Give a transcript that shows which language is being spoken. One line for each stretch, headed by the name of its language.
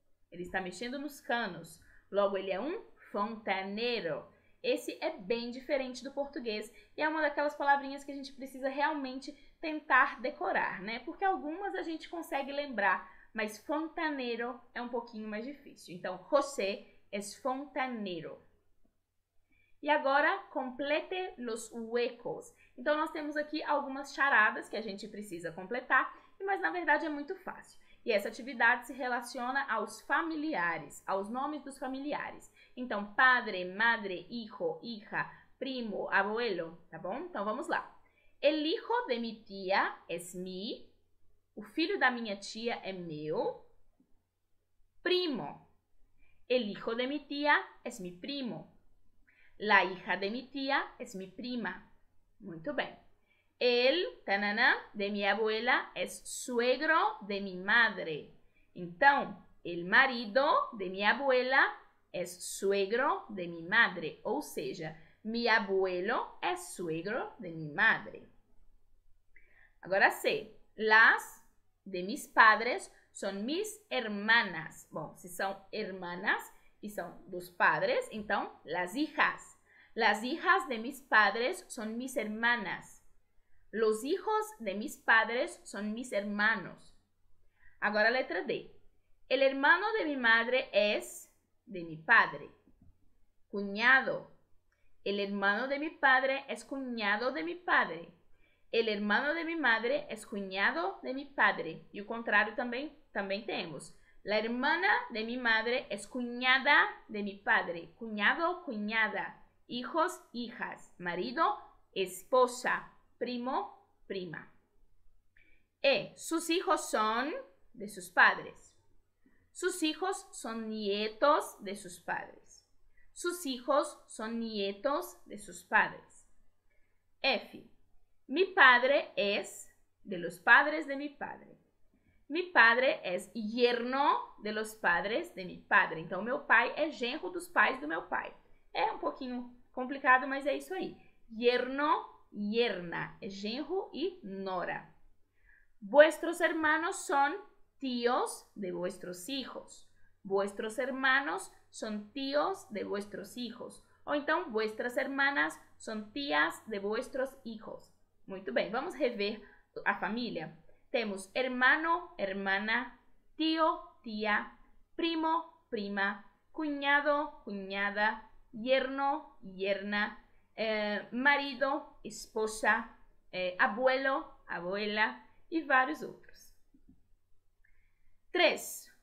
Portuguese: Ele está mexendo nos canos. Logo, ele é um fontaneiro. Esse é bem diferente do português e é uma daquelas palavrinhas que a gente precisa realmente tentar decorar, né? Porque algumas a gente consegue lembrar, mas fontaneiro é um pouquinho mais difícil.
Spanish: Então, José es fontanero.
Portuguese: E agora,
Spanish: complete los huecos.
Portuguese: Então, nós temos aqui algumas charadas que a gente precisa completar, mas na verdade é muito fácil. E essa atividade se relaciona aos familiares, aos nomes dos familiares. Então, padre, madre, hijo, hija, primo, abuelo, tá bom? Então, vamos lá.
Spanish: El hijo de mi tía es mi.
Portuguese: O filho da minha tia é meu.
Spanish: Primo. El hijo de mi tía es mi primo. La hija de mi tía es mi prima.
Portuguese: Muito bem.
Spanish: El, tanana, de mi abuela es suegro de mi madre. Então, el marido de mi abuela es suegro de mi madre.
Portuguese: Ou seja,
Spanish: mi abuelo es suegro de mi madre.
Portuguese: Agora C.
Spanish: Las de mis padres son mis hermanas.
Portuguese: Bom, se são hermanas e são dos padres, então
Spanish: las hijas. Las hijas de mis padres son mis hermanas. Los hijos de mis padres son mis hermanos.
Portuguese: Agora letra D.
Spanish: El hermano de mi madre es de mi padre. Cuñado. El hermano de mi padre es cuñado de mi padre. El hermano de mi madre es cuñado de mi padre.
Portuguese: E o contrário também, também temos.
Spanish: La hermana de mi madre es cuñada de mi padre. Cuñado, cuñada. Hijos, hijas. Marido, esposa. Primo, prima. E, sus hijos son de sus padres. Sus hijos son nietos de sus padres. Sus hijos son nietos de sus padres. F, mi padre es de los padres de mi padre. Mi padre es yerno de los padres de mi padre.
Portuguese: Então, meu pai é genro dos pais do meu pai. É um pouquinho complicado, mas é isso aí. Yerno, yerna, é genro e nora.
Spanish: Vuestros hermanos son tíos de vuestros hijos. Vuestros hermanos son tíos de vuestros hijos.
Portuguese: Ou então,
Spanish: vuestras hermanas son tías de vuestros hijos.
Portuguese: Muito bem, vamos rever a família. Temos hermano, hermana, tio, tia, primo, prima, cunhado, cunhada, yerno, yerna, marido, esposa, abuelo, abuela e vários outros. 3.